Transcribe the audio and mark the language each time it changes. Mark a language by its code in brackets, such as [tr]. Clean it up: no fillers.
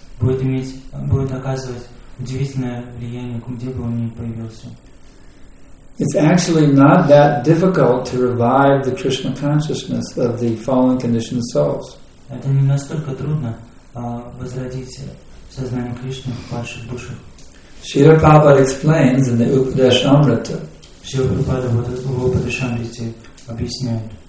[ru] Будет оказывать удивительное влияние, где бы он ни появился. [en] It's actually not that difficult to revive the Krishna consciousness of the fallen conditioned souls. [ru] Это не настолько трудно возродить сознание Кришны в падших душах. [en] Шрила Прабхупада explains in the Upadeshamrita. [ru] Шрила Прабхупада вот в Упадешамрите объясняет.